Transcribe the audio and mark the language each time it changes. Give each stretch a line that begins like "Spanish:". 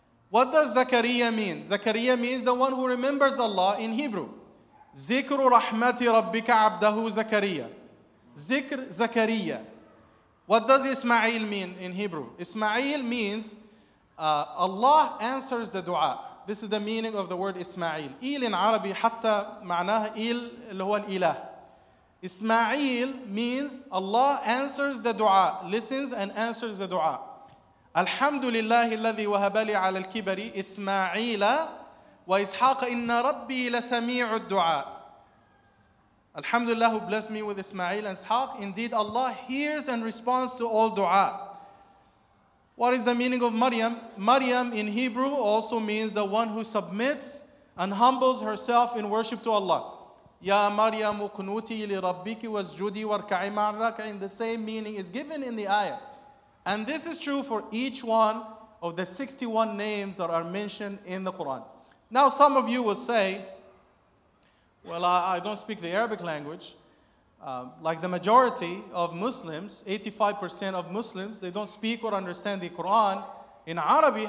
English: What does Zakariya mean? Zakariya means the one who remembers Allah in Hebrew.
Arabic: ذكر رحمة ربك عبده زكريا. ذكر زكريا.
English: What does Ismail mean in Hebrew? Ismail means Allah answers the dua. This is the meaning of the word Ismail.
Arabic: إيل
English: in
Arabic: عربي حتى معناها إيل اللي هو الإله.
English: Ismail means Allah answers the dua, listens and answers the dua.
Arabic: الحمد لله الذي وهب لي على الكبر إسماعيل وإسحاق إن ربي لسميع الدعاء. الحمد لله
English: who blessed me with إسماعيل and إسحاق. Indeed Allah hears and responds to all دعاء. What is the meaning of Maryam? Maryam in Hebrew also means the one who submits and humbles herself in worship to Allah.
Arabic: يا مريم قنوتي لربك واسجدي واركعي مع الراكعين.
English: The same meaning is given in the ayah. And this is true for each one of the 61 names that are mentioned in the Quran. Now some of you will say, well, I don't speak the Arabic language. Like the majority of Muslims, 85% of Muslims, they don't speak or understand the Quran in Arabic.